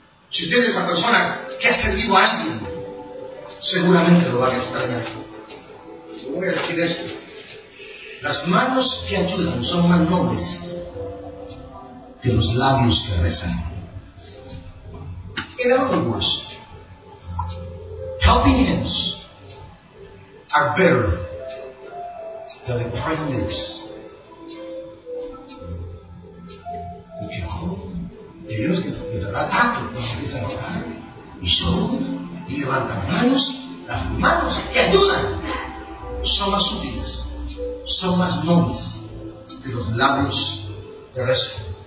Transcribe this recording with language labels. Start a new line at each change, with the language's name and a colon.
Spanish: Si usted es esa persona que ha servido a alguien, seguramente lo va a extrañar. Yo voy a decir esto: las manos que ayudan son más nobles que los labios que rezan.
English: In other words, helping hands are better than the praying lips.
Spanish: Porque Dios que se da tanto cuando empiezan a orar y son y levantan manos, las manos que ayudan son más útiles, son más nobles que los labios de rezo.